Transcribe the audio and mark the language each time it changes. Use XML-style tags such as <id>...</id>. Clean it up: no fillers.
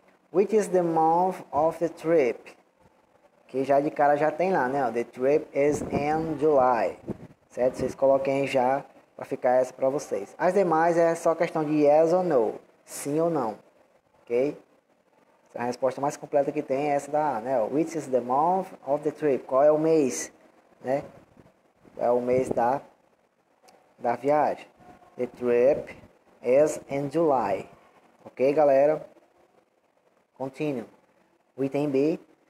<en>Which is the month of the trip?</en> <pt>Que já de cara já tem lá, né?</pt> <en>The trip is in July.</en> <pt>Certo? Vocês coloquem aí já. Vai ficar essa para vocês. As demais é só questão de yes ou no. Sim ou não. Ok? A resposta mais completa que tem é essa da A, né?</pt> <en>Which is the month of the trip?</en> <pt>Qual é o mês? Né? É o mês da viagem.</pt> <en>The trip is in July. Ok, galera? Continue.</en> <pt>O item B.</pt>